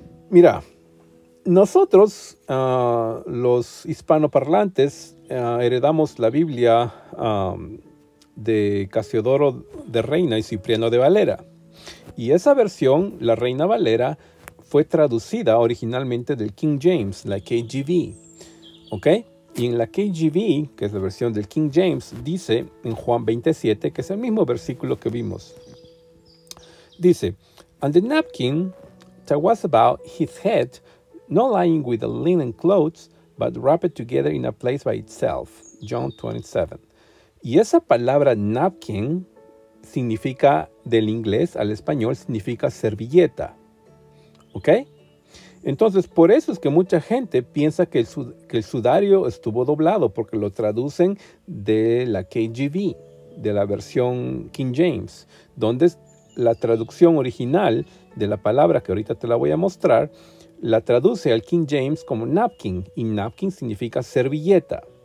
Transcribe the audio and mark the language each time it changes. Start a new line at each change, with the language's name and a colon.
Spanish: Mira, nosotros, los hispanoparlantes, heredamos la Biblia de Casiodoro de Reina y Cipriano de Valera. Y esa versión, la Reina Valera, fue traducida originalmente del King James, la KJV. ¿Ok? Y en la KJV, que es la versión del King James, dice en Juan 27, que es el mismo versículo que vimos.
English: Dice, "And the napkin that was about his head, not lying with the linen clothes, but wrapped together in a place by itself." John 27.
Spanish: Y esa palabra napkin significa, del inglés al español, significa servilleta. ¿Ok? Entonces, por eso es que mucha gente piensa que el sudario estuvo doblado, porque lo traducen de la KJV, de la versión King James, donde la traducción original de la palabra que ahorita te la voy a mostrar, la traduce al King James como napkin, y napkin significa servilleta.